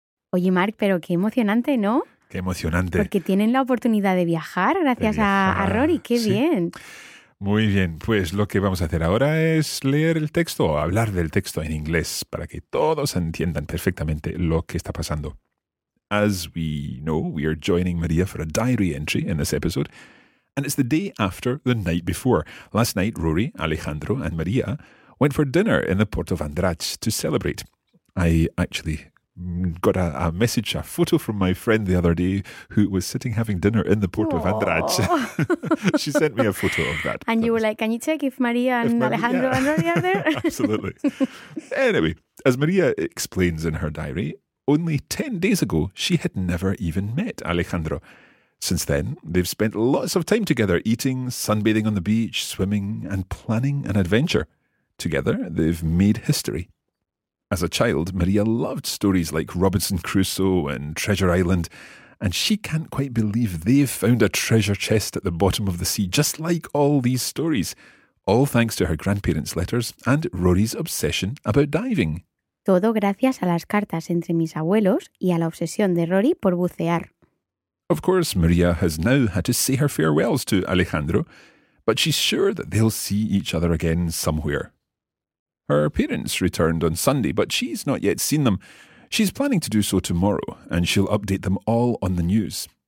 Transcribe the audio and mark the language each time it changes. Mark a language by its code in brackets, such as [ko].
[es] Oye, Marc, pero qué emocionante, ¿no? Qué emocionante. Porque tienen la oportunidad de viajar gracias a Rory, qué bien. Muy bien, pues lo que vamos a hacer ahora es leer el texto o hablar del texto en inglés para que todos entiendan perfectamente lo que está pasando. [en] As we know, we are joining Maria for a diary entry in this episode, and it's the day after the night before. Last night, Rory, Alejandro, and Maria went for dinner in the port of Andratx to celebrate. I actually got a message, a photo from my friend the other day who was sitting having dinner in the port of Andratx. She sent me a photo of that. And that you were like, can you check if Maria and Alejandro and Rory are there? Absolutely. Anyway, as Maria explains in her diary, only 10 days ago, she had never even met Alejandro. Since then, they've spent lots of time together, eating, sunbathing on the beach, swimming, and planning an adventure. Together, they've made history. As a child, Maria loved stories like Robinson Crusoe and Treasure Island, and she can't quite believe they've found a treasure chest at the bottom of the sea, just like all these stories, all thanks to her grandparents' letters and Rory's obsession about diving. [es] Todo gracias a las cartas entre mis abuelos y a la obsesión de Rory por bucear. [en] Of course, Maria has now had to say her farewells to Alejandro, but she's sure that they'll see each other again somewhere. Her parents returned on Sunday, but she's not yet seen them. She's planning to do so tomorrow, and she'll update them all on the news.